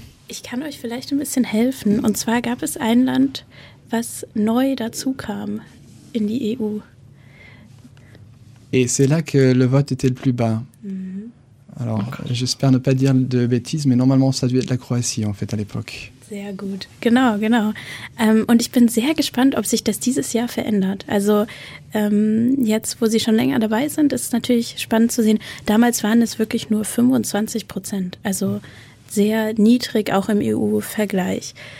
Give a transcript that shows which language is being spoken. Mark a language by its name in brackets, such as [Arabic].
[German] Ich kann euch vielleicht ein bisschen helfen. Und zwar gab es ein Land, was neu dazu kam in die EU. [French] Et c'est là que le vote était le plus bas. Alors, j'espère ne pas dire de bêtises, mais normalement, ça devait être la Croatie, en fait, à l'époque. [German] Sehr gut. Genau. Und ich bin sehr gespannt, ob sich das dieses Jahr verändert. Also, jetzt, wo Sie schon länger dabei sind, ist es natürlich spannend zu sehen. Damals waren es wirklich nur 25%. Also, sehr niedrig, auch im EU-Vergleich.